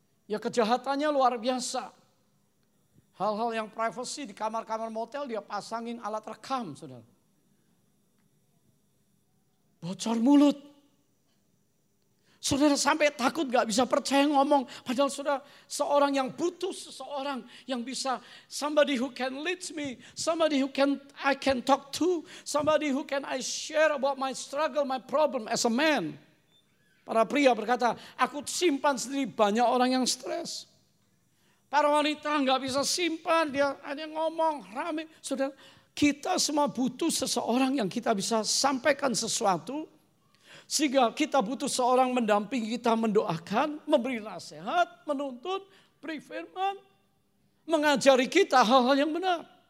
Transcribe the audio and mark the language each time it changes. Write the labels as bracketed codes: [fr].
[id] Ya kejahatannya luar biasa. Hal-hal yang privacy di kamar-kamar motel dia pasangin alat rekam, saudara. Bocor mulut. Saudara sampai takut gak bisa percaya ngomong. Padahal saudara seorang yang butuh seseorang yang bisa. [en] Somebody who can lead me. Somebody who can I can talk to. Somebody who can I share about my struggle, my problem as a man. [id] Para pria berkata, aku simpan sendiri, banyak orang yang stres. Para wanita gak bisa simpan, dia hanya ngomong, rame. Saudara, kita semua butuh seseorang yang kita bisa sampaikan sesuatu. Sehingga kita butuh seorang mendampingi kita, mendoakan, memberi nasihat, menuntun, beri firman, mengajari kita hal-hal yang benar.